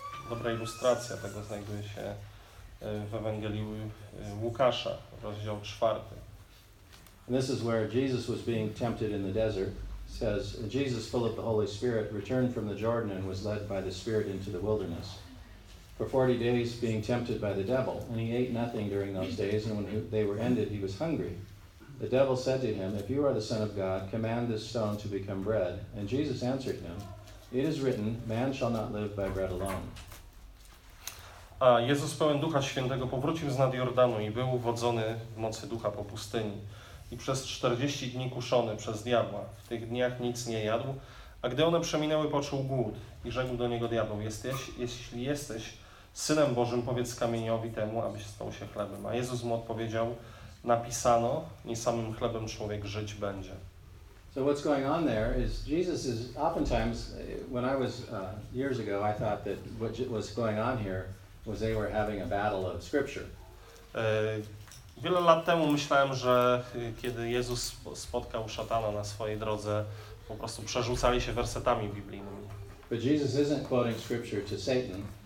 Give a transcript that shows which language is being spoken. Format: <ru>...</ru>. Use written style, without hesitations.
<pl>Dobra ilustracja tego znajduje się w Ewangelii Łukasza, rozdział 4.</pl> <en>And this is where Jesus was being tempted in the desert. Says Jesus, full of the Holy Spirit, returned from the Jordan and was led by the Spirit into the wilderness for 40 days, being tempted by the devil. And he ate nothing during those days. And when they were ended, he was hungry. The devil said to him, "If you are the Son of God, command this stone to become bread." And Jesus answered him, "It is written, man shall not live by bread alone."</en> <pl>A Jezus, pełen Ducha Świętego, powrócił z nad Jordanu i był wodzony w mocy Ducha po pustyni. I przez 40 dni kuszony przez diabła. W tych dniach nic nie jadł, a gdy one przeminęły, poczuł głód i rzekł do niego diabeł, jeśli jesteś Synem Bożym, powiedz kamieniowi temu, aby się stał się chlebem. A Jezus mu odpowiedział, napisano, nie samym chlebem człowiek żyć będzie.</pl> <en>So what's going on there is Jesus is oftentimes, when I was years ago, I thought that what was going on here was they were having a battle of scripture.</en> <pl>Wiele lat temu myślałem, że kiedy Jezus spotkał szatana na swojej drodze, po prostu przerzucali się wersetami biblijnymi.</pl> <en>But Jesus isn't quoting scripture to Satan.</en>